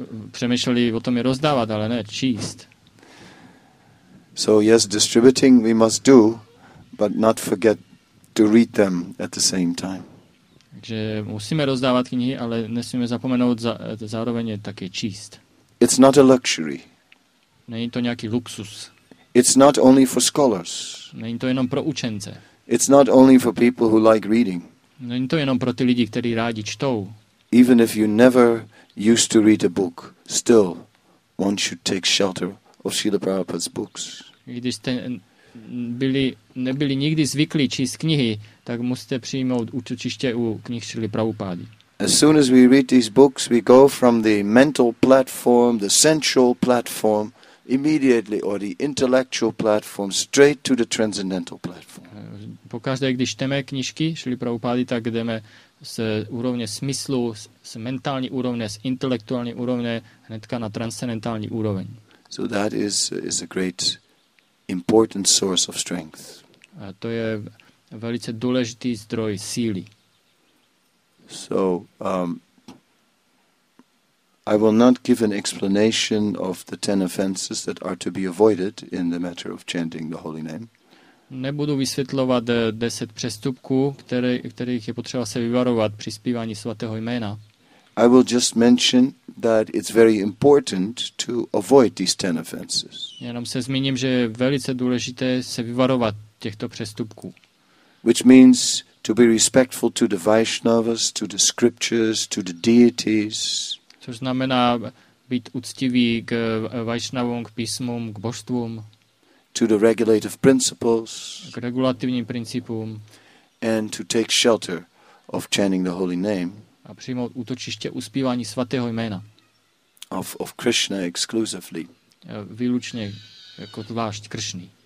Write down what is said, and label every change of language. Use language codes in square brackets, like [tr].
[cs] Přemýšleli o tom je rozdávat, ale ne číst. [en] So yes, distributing we must do, but not forget to read them at the same time. [cs] Takže musíme rozdávat knihy, ale nesmíme zapomenout zároveň také číst. [en] It's not a luxury. [cs] Není to nějaký luxus. [en] It's not only for scholars. [cs] Není to jenom pro učence. [en] It's not only for people who like reading. [cs] Není to jenom pro ty lidi, kteří rádi čtou. [en] Even if you never used to read a book, still one should take shelter of Srila Prabhupada's books. [cs] Když jste nebyli nikdy zvyklí číst knihy, tak musíte přijmout útočiště u knih Srila Prabhupády. [en] As soon as we read these books, we go from the mental platform, the sensual platform, immediately or the intellectual platform straight to the transcendental platform. [cs] Po každej, když čteme knižky Šrily Prabhupády, tak jdeme z úrovně smyslu, z mentální úrovně, z intelektuální úrovně hnedka na transcendentální úroveň. [en] So that is a great important source of strength. [cs] A to je velice důležitý zdroj síly. [en] So I will not give an explanation of the 10 offenses that are to be avoided in the matter of chanting the holy name. [cs] Nebudu vysvětlovat 10 přestupků, kterých je potřeba se vyvarovat při zpívání svatého jména. [en] I will just mention that it's very important to avoid these 10 offenses. [cs] Jenom se zmíním, že je velice důležité se vyvarovat těchto přestupků. [en] Which means to be respectful to the Vaishnavas, to the scriptures, to the deities. [cs] Což znamená být uctivý k Vaishnavům, k písmům, k božstvům. [en] To the regulative principles. [cs] K regulativním principům. [en] And to take shelter of chanting the holy name. [cs] A přijmout útočiště uspívání svatého jména. [en] Of Krishna exclusively. [cs] Výlučně jako zvlášť Krishna.